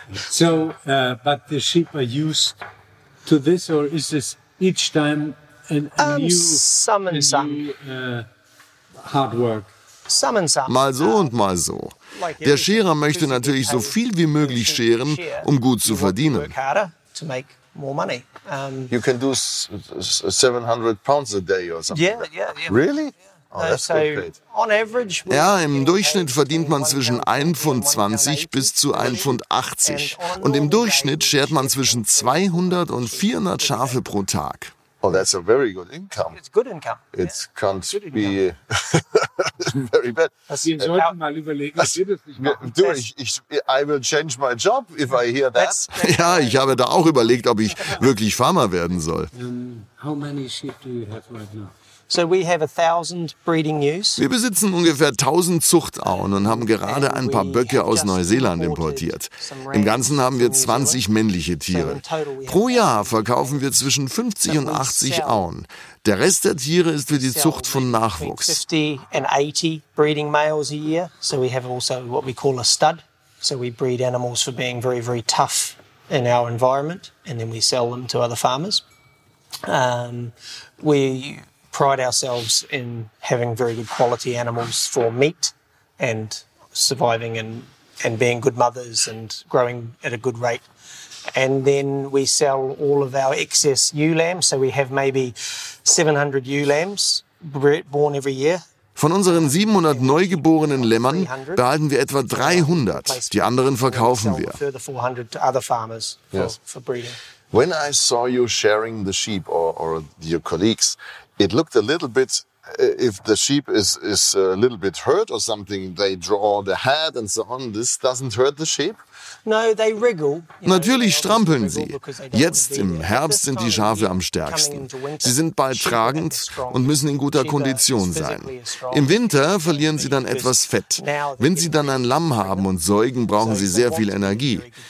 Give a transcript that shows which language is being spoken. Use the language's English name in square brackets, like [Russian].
[English] So, but the sheep are used to this, or is this each time a new hard work? [German] Mal so und mal so. Der Scherer möchte natürlich so viel wie möglich scheren, um gut zu verdienen. [English] You can do 700 pounds a day or something. Yeah. Really? [German] Ja, im Durchschnitt verdient man zwischen 1,20 Pfund bis zu 1,80 Pfund. Und im Durchschnitt schert man zwischen 200 und 400 Schafe pro Tag. [English] Oh, that's a very good income. It's good income. It can't be very bad. [German] Wir sollten mal überlegen, was wir das nicht machen. [English] I will change my job if I hear that. [German] Ja, ich habe da auch überlegt, ob ich wirklich Farmer werden soll. [English] How many sheep do you have right now? So we have 1,000 breeding ewes. [German] Wir besitzen ungefähr 1,000 Zuchtauen und haben gerade ein paar Böcke aus Neuseeland importiert. Im Ganzen haben wir 20 männliche Tiere. Pro Jahr verkaufen wir zwischen 50 und 80 Auen. Der Rest der Tiere ist für die Zucht von Nachwuchs. [English] 50 and 80 breeding males a year. So we have also what we call a stud. So we breed animals for being very, very tough in our environment, and then we sell them to other farmers. We pride ourselves in having very good quality animals for meat and surviving and being good mothers and growing at a good rate. And then we sell all of our excess ewe lambs. So we have maybe 700 ewe lambs born every year. [German] Von unseren 700 neugeborenen Lämmern behalten wir etwa 300. Die anderen verkaufen wir. [English] Further 400 to other farmers for breeding. When I saw you sharing the sheep or your colleagues, it looked a little bit if the sheep is a little bit hurt or something, they draw the head and so on. This doesn't hurt the sheep? No, they wriggle. [German] Natürlich strampeln sie. Jetzt im Herbst sind die Schafe am stärksten. Sie sind bald tragend und müssen in guter Kondition sein. Im Winter verlieren sie dann etwas Fett. Wenn sie dann ein Lamm haben und säugen, brauchen sie sehr viel Energie.